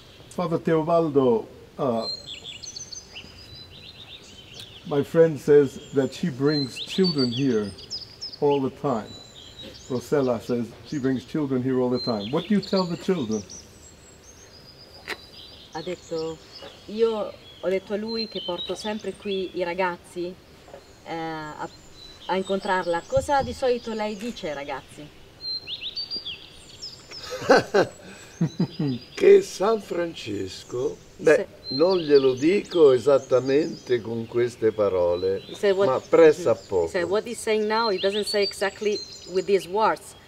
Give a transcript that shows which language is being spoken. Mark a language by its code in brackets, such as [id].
[en] Father Teobaldo, my friend says that she brings children here all the time. Rosella says she brings children here all the time. What do you tell the children? [it] Ha detto, io ho detto a lui che porto sempre qui I ragazzi a incontrarla. Cosa di solito lei dice ai ragazzi? Che San Francesco, beh, non glielo dico esattamente con queste parole, ma pressa poco. [en] He said, what he's saying now, he doesn't say exactly with these words,